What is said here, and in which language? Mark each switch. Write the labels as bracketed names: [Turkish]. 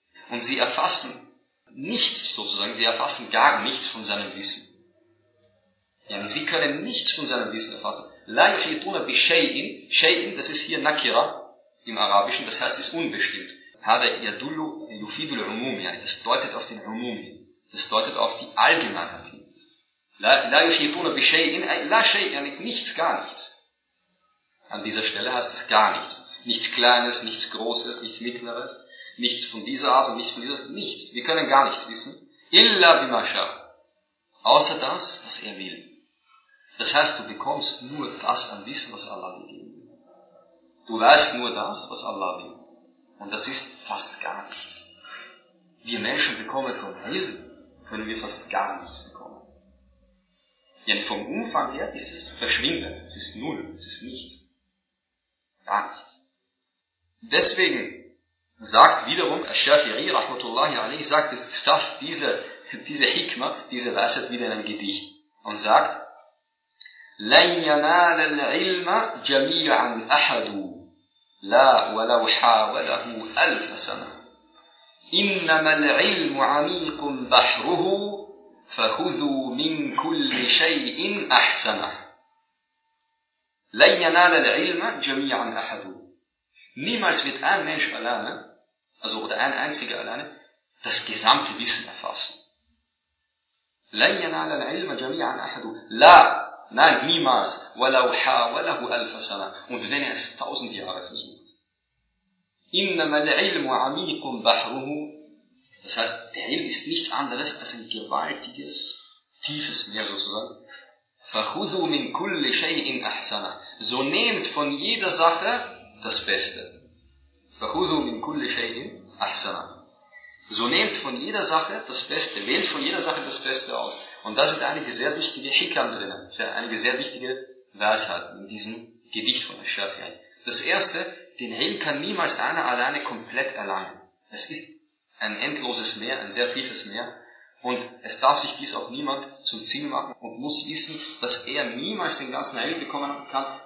[German] Und sie erfassen nichts sozusagen, sie erfassen gar nichts von seinem Wissen. Ja, sie können nichts von seinem Wissen erfassen. [Arabic] لَا يُحِيطُونَ بِشَيْءٍ, شَيْءٍ, [German] das ist hier Nakira im Arabischen, das heißt, ist unbestimmt. [Arabic] هَذَا يَدُلُّ يُفِيدُ الْعُمُومِ, [German] das deutet auf den Umum hin, das deutet auf die Allgemeinheit hin. [Arabic] لَا يُحِيطُونَ بِشَيْءٍ, لَا شَيْءٍ, [German] nichts, gar nichts. An dieser Stelle heißt es gar nichts. Nichts Kleines, nichts Großes, nichts Mittleres, nichts von dieser Art und nichts von dieser Art, nichts. Wir können gar nichts wissen. [Arabic] Illa bima sha. [German] Außer das, was er will. Das heißt, du bekommst nur das an Wissen, was Allah dir gibt. Du weißt nur das, was Allah will. Und das ist fast gar nichts. Wir Menschen bekommen vom Hill, können wir fast gar nichts bekommen. Denn vom Umfang her ist es verschwindend, es ist null, es ist nichts. Gar nichts. Deswegen sagt wiederum Al-Shafi'i, rahmatullahi alayhi, sagt, fasst diese Hikma, diese Weisheit wieder in ein Gedicht und sagt, [Arabic] لَنْ يَنَالَ الْعِلْمَ جَمِيعًا أَحَدُ لَا وَلَوْ حَاوَلَهُ أَلْفَ سَنَةٍ إِنَّمَا الْعِلْمُ عَمِيقٌ بَحْرُهُ فَخُذُوا مِنْ كُلِّ شَيْءٍ أَحْسَنَهُ. لَنْ يَنَالَ الْعِلْمَ جَمِيعًا أَحَدُ. [German] Niemals wird ein Mensch alleine, also oder ein einziger alleine, das gesamte Wissen erfassen. [Arabic] لَنْ يَنَالَ الْعِلْمَ جَمِيعًا أَحَدُ. لَا, [German] nein, niemals. [Arabic] وَلَوْ حَاوَلَهُ أَلْفَ سَنَةٍ, [German] und wenn er es 1000 Jahre versucht. [Arabic] إِنَّمَا الْعِلْمُ عَمِيقٌ بَحْرُهُ. [German] Das heißt, der Ilm ist nichts anderes als ein gewaltiges, tiefes Meer sozusagen. [Arabic] فَخُذُوا مِنْ كُلِّ شَيْءٍ أَحْسَنَةً, [German] so nehmt von jeder Sache das Beste. [Arabic] فَخُذُوا مِنْ كُلِّ شَيْءٍ أَحْسَنَةً, [German] So nehmt von jeder Sache das Beste, wählt von jeder Sache das Beste aus. Und da sind einige sehr wichtige Hikam drin, einige sehr wichtige Weisheiten in diesem Gedicht von Schafi'i. Das erste, den Helm kann niemals einer alleine komplett erlangen. Es ist ein endloses Meer, ein sehr tiefes Meer. Und es darf sich dies auch niemand zum Ziel machen und muss wissen, dass er niemals den ganzen Helm bekommen kann.